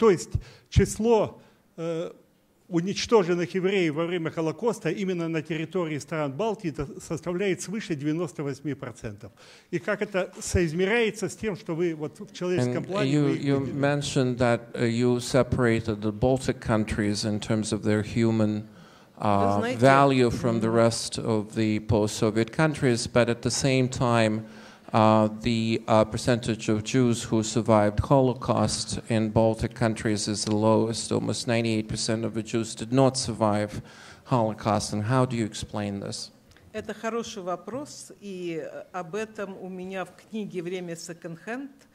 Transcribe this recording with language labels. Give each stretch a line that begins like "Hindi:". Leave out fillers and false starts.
Russian: То есть число уничтоженных евреев во время Холокоста именно на территории стран Балтии составляет свыше 98%. И как это соизмеряется с тем, что вы вот в человеческом плане...
English: You mentioned that you separated the Baltic countries in terms of their human value from the rest of the post-Soviet countries, but at the same time, the percentage of Jews who survived Holocaust in Baltic countries is the lowest. Almost 98% of the Jews did not survive Holocaust. And how do you explain this?
Russian: Это хороший вопрос, и об этом у меня в книге «Время секонд-хенд»